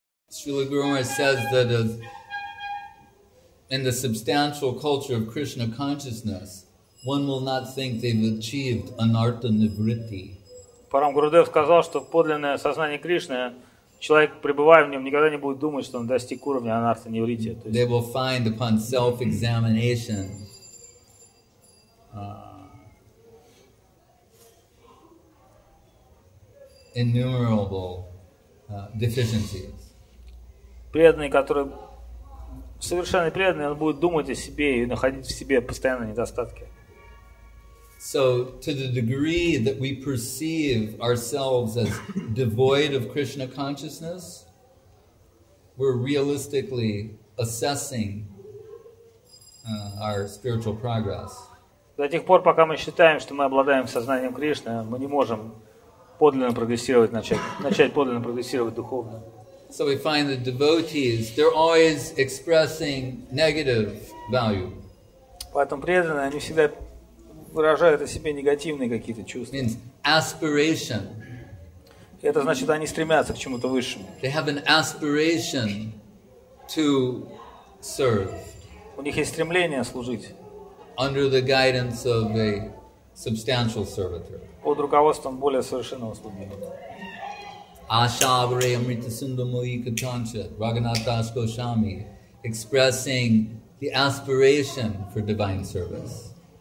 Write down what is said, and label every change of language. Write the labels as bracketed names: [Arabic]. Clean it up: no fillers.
[English] Srila Guru Maharaj says that in the substantial culture of Krishna consciousness, one will not think they've achieved anartha nivritti. [Russian] Param Gurudev сказал, что в подлинное сознание Кришны человек, пребывая в нем, никогда не будет думать, что он достиг уровня анартха нивритти. [English] They will find upon self-examination innumerable deficiencies. [Russian] Преданный, который совершенно преданный, он будет думать о себе и находить в себе постоянные недостатки. [English] So, to the degree that we perceive ourselves as devoid of Krishna consciousness, we're realistically assessing our spiritual progress. [Russian] До тех пор, пока мы считаем, что мы обладаем сознанием Кришны, мы не можем подлинно прогрессировать, начать подлинно прогрессировать духовно. [English] So we find the devotees, they're always expressing negative value. [Russian] Поэтому преданные, они всегда выражают о себе негативные какие-то чувства. [English] Means aspiration. [Russian] Это значит, они стремятся к чему-то высшему. [English] They have an aspiration to serve. [Russian] У них есть стремление служить. [English] Under the guidance of a substantial servitor. [Russian] Под руководством более совершенного слуги. [Sanskrit] Ashavare amrita sundamoyika kancha [English] Raghunath Das Goswami expressing the aspiration for divine service.